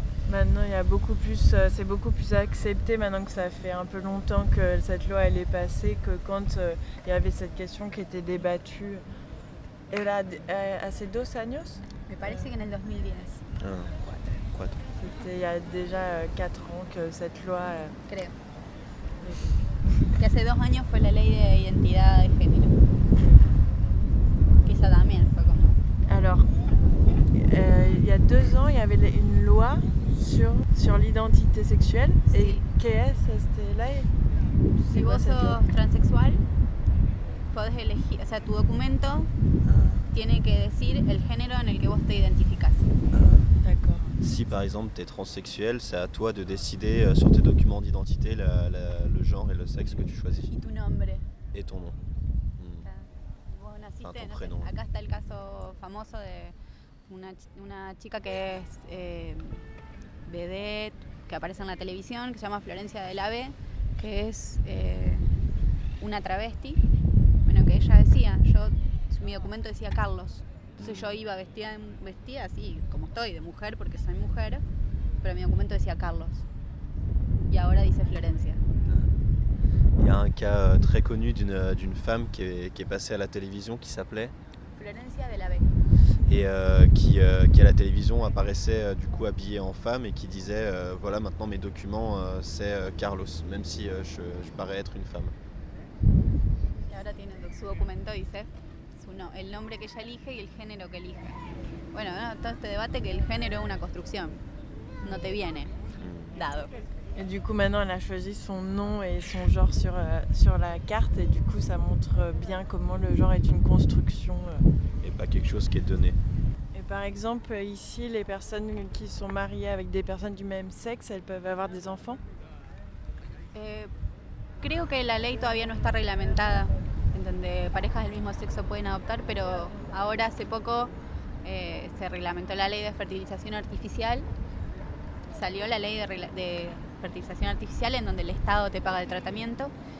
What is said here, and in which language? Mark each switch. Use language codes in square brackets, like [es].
[fr] Maintenant, c'est beaucoup plus accepté maintenant que ça fait un peu longtemps que cette loi elle est passée que quand il y avait cette question qui était débattue. [es] Era hace dos años? Me parece que en el 2010. [fr] Ah. fait. C'était il y a déjà 4 ans que cette loi... [es] Creo. Que hace 2 años fue la ley de identidad de género. Que esa también fue como... [fr] Alors, il y a 2 ans, il y avait une loi sur l'identité sexuelle. Sí. Et qu'est-ce cette loi? [es] Si vos sos transexual, podés elegir, o sea, tu documento tiene que decir el género en el que vos te identificas. [fr] Si par exemple tu es transsexuel, c'est à toi de décider sur tes documents d'identité le genre et le sexe que tu choisis. [es] Y tu nombre. [fr] Et ton nom. [es] Vos naciste, [fr] ton prénom. [es] Acá está el caso famoso de una chica que es vedette, que aparece en la televisión, que se llama Florencia de la B, que es una travesti. Bueno, que ella decía, mi documento decía Carlos. Entonces yo iba vestida así, como estoy, de mujer, porque soy mujer, pero mi documento decía Carlos. Y ahora dice Florencia. [fr] Il y a un cas très connu d'une femme qui est passée à la télévision qui s'appelait Florencia de la B. Et qui à la télévision apparaissait du coup habillée en femme et qui disait voilà, maintenant mes documents c'est Carlos, même si je parais être une femme. [es] Y ahora tiene su documento dice no, el nombre que ella elige y el género que elige. Bueno, no, todo este debate que el género es una construcción. No te viene dado. [fr] Et du coup maintenant elle a choisi son nom et son genre sur la carte et du coup ça montre bien comment le genre est une construction et pas quelque chose qui est donné. Et par exemple ici les personnes qui sont mariées avec des personnes du même sexe, elles peuvent avoir des enfants? [es] Creo que la ley todavía no está reglamentada. Donde parejas del mismo sexo pueden adoptar, pero ahora hace poco se reglamentó la ley de fertilización artificial. Salió la ley de fertilización artificial en donde el Estado te paga el tratamiento.